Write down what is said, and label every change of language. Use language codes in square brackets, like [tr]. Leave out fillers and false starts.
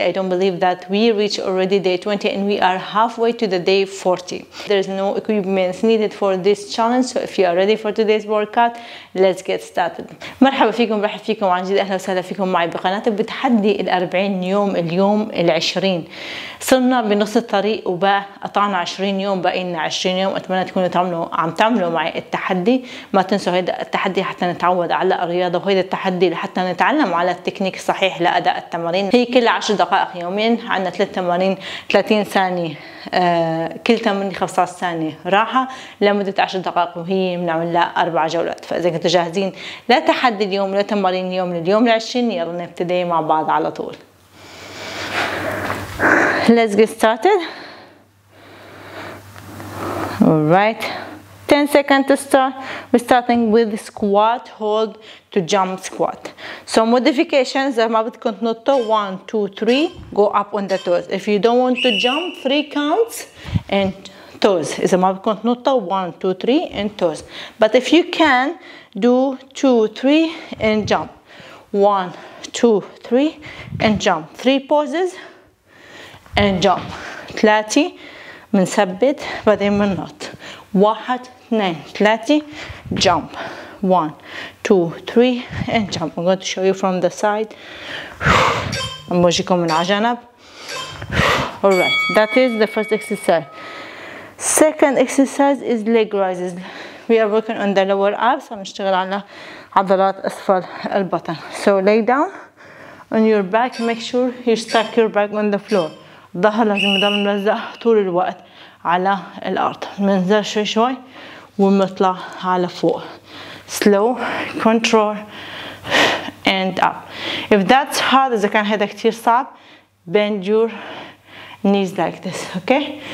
[en] I don't believe that we reach already day 20 and we are halfway to the day 40. There's no equipment needed for this challenge, so if you are ready for today's workout, let's get started. [ar] مرحبا فيكم مرحبا فيكم عن جد اهلا وسهلا فيكم معي بقناتي بتحدي ال 40 يوم اليوم ال 20. صرنا بنص الطريق وبقى قطعنا 20 يوم بقينا 20 يوم. اتمنى تكونوا عم تعملوا معي التحدي. ما تنسوا هيدا التحدي حتى نتعود على الرياضة وهيدا التحدي لحتى نتعلم على التكنيك الصحيح لأداء التمارين. هي كل 10 دقائق يومين عندنا 3 تمارين 30 ثانية كل تمرين 15 ثانية راحة لمدة 10 دقائق وهي بنعملها 4 جولات. فإذا كنتوا جاهزين لتحدي اليوم لتمارين اليوم لليوم العشرين يلا نبتدي مع بعض على طول. [en] Let's get started. Alright. 10 seconds to start. We're starting with squat hold to jump squat. So modifications, [ar] ما بتكون تنطوا [en] 1, 2, 3, go up on the toes. If you don't want to jump, 3 counts and toes. [ar] إذا ما بتكون تنطوا 1, 2, 3 [en] and toes. But if you can, do 2, 3 and jump. 1, 2, 3 and jump. 3 pauses and jump. 3, [ar] منثبت بعدين مننط. [en] 1, 2, 3, jump. 1, 2, 3, and jump. I'm going to show you from the side. I'm going to come in ajanab. All right, that is the first exercise. Second exercise is leg raises. We are working on the lower abs. I'm going to work on the [ar] عضلات أسفل البطن. [en] So lay down on your back. Make sure you stack your back on the floor. [ar] ظهر لازم يضل ملزق طول الوقت على الأرض. منزل شوي شوي ومطلع على فوق. [en] Slow, control, and up. If that's hard, [ar] إذا كان هذا كتير صعب, [en] bend your knees like this, okay?